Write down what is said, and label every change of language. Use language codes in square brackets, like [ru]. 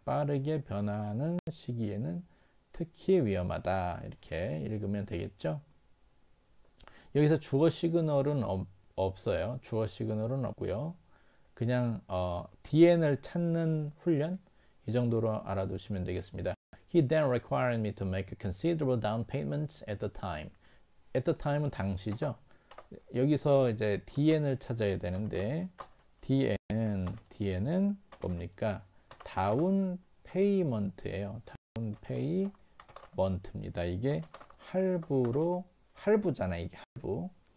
[ko] 빠르게 변하는 시기에는 특히 위험하다 이렇게 읽으면 되겠죠? 여기서 주어 시그널은 없어요. 주어 시그널은 없고요. 그냥 dn을 찾는 훈련 이 정도로 알아두시면 되겠습니다. [en] He then required me to make a considerable down payments at the time. At the time [ko] 은 당시죠. 여기서 이제 dn을 찾아야 되는데 dn은 뭡니까? 다운 페이먼트예요. 다운 페이먼트입니다. 이게 할부로 할부잖아요. 이게 할부.